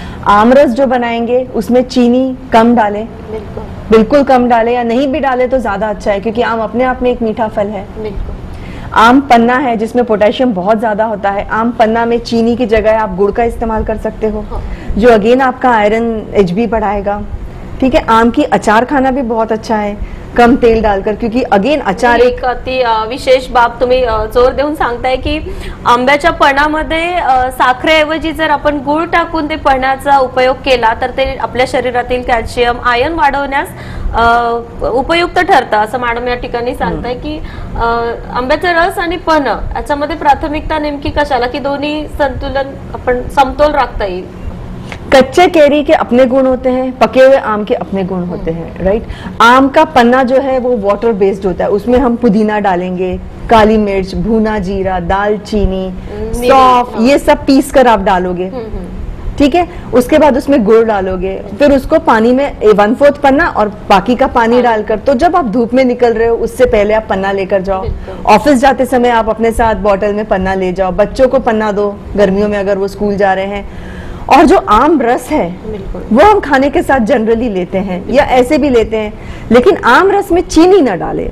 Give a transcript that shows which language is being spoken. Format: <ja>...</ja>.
<hi>आमरस जो बनाएंगे उसमें चीनी कम डालें, बिल्कुल कम डाले, या नहीं भी डाले तो ज्यादा अच्छा है, क्योंकि आम अपने आप में एक मीठा फल है। आम पन्ना है जिसमें पोटेशियम बहुत ज्यादा होता है, आम पन्ना में चीनी की जगह आप गुड़ का इस्तेमाल कर सकते हो, जो अगेन आपका आयरन HB बढ़ाएगा। ठीक है, आम की अचार खाना भी बहुत अच्छा है, कम तेल डालकर, क्योंकि अगेन अचार</hi> <mr>एक अति विशेष बाब तुम्ही जोर देऊन सांगताय की आंब्याच्या पणामध्ये साखरेऐवजी जर आपण गुळ टाकून ते पणाचा उपयोग केला तर ते आपल्या शरीरातील कॅल्शियम आयन वाढवण्यास उपयुक्त ठरतं, असं मॅडम या ठिकाणी सांगताय की आंब्याचा रस आणि पण याच्यामध्ये प्राथमिकता नेमकी कशाला की दोन्ही संतुलन आपण समतोल राखता येईल?</mr> <hi>कच्चे केरी के अपने गुण होते हैं, पके हुए आम के अपने गुण होते हैं। राइट, आम का पन्ना जो है वो वाटर बेस्ड होता है, उसमें हम पुदीना डालेंगे, काली मिर्च, भुना जीरा, दालचीनी, सौंफ, ये सब पीस कर आप डालोगे, ठीक है, उसके बाद उसमें गुड़ डालोगे, फिर उसको पानी में 1/4 पन्ना और बाकी का पानी डालकर, तो जब आप धूप में निकल रहे हो उससे पहले आप पन्ना लेकर जाओ, ऑफिस जाते समय आप अपने साथ बॉटल में पन्ना ले जाओ, बच्चों को पन्ना दो गर्मियों में अगर वो स्कूल जा रहे हैं, और जो आम रस है वो हम खाने के साथ जनरली लेते हैं या ऐसे भी लेते हैं, लेकिन आम रस में चीनी ना डालें।</hi>